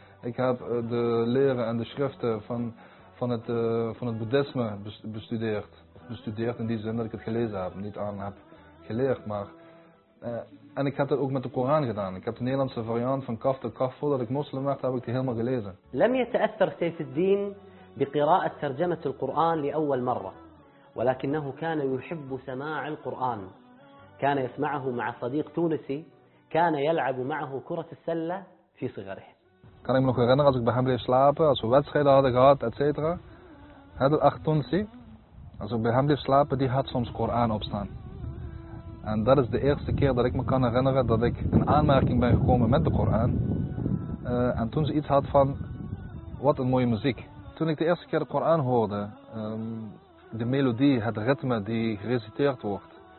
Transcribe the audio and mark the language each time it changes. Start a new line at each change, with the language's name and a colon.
Dutch: Ik heb de leren en de schriften van het Boeddhisme bestudeerd. Bestudeerd in die zin dat ik het gelezen heb, niet aan heb geleerd. En ik heb dat ook met de Koran gedaan. Ik heb de Nederlandse variant van kaf tot kaf, voordat ik moslim werd, heb ik die helemaal gelezen.
Arabic: لم يتأثر سيف الدين بقراءة ترجمة القرآن لأول مرة. ولكنه كان يحب سماع القرآن. كان يسمعه مع صديق تونسي كان يلعب معه كرة السلة في صغره.
Dutch: Kan ik me nog herinneren als ik bij hem bleef slapen, als we wedstrijden hadden gehad, et cetera. Het acht Tunisi, als ik bij hem bleef slapen, die had soms Koran opstaan. En dat is de eerste keer dat ik me kan herinneren dat ik in aanmerking ben gekomen met de Koran. En toen ze iets had van, wat een mooie muziek. Toen ik de eerste keer de Koran hoorde, de melodie, het ritme die gereciteerd wordt.